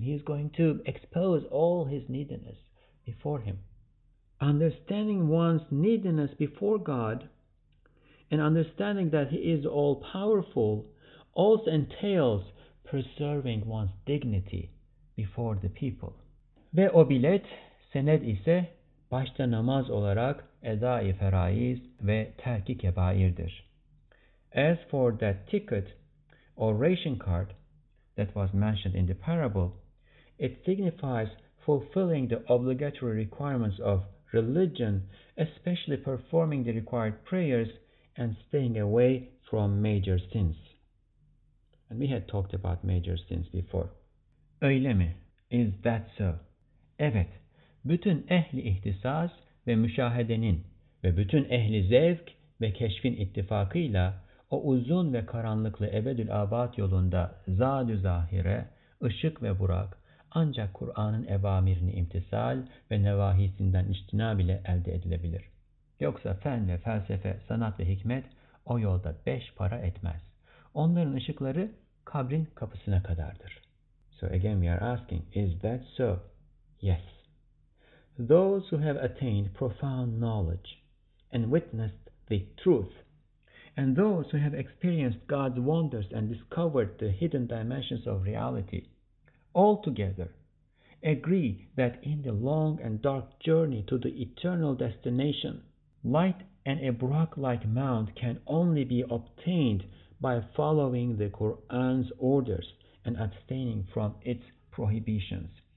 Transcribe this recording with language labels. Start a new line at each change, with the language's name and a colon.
English: He's going to expose all his neediness before him. Understanding one's neediness before God and understanding that he is all-powerful also entails preserving one's dignity before the people.
Turkish: Ve o bilet, sened ise, başta namaz olarak eda-i feraiz ve terk-i kebairdir.
English: As for that ticket or ration card that was mentioned in the parable, it signifies fulfilling the obligatory requirements of religion, especially performing the required prayers and staying away from major sins. And we had talked about major sins before.
Turkish: Öyle mi?
English: Is that so?
Turkish: Evet, bütün ehli ihtisas ve müşahedenin ve bütün ehli zevk ve keşfin ittifakıyla o uzun ve karanlıklı ebedül abad yolunda zâd-ü zahire, ışık ve burak, ancak Kur'an'ın evamirini imtisal ve nevahisinden içtinab ile elde edilebilir. Yoksa fen ve felsefe, sanat ve hikmet o yolda beş para etmez. Onların ışıkları kabrin kapısına kadardır.
English: So again we are asking, is that so? Yes. Those who have attained profound knowledge and witnessed the truth, and those who have experienced God's wonders and discovered the hidden dimensions of reality, all together agree that in the long and dark journey to the eternal destination, light and a Burak-like mount can only be obtained by following the Quran's orders and abstaining from its prohibitions.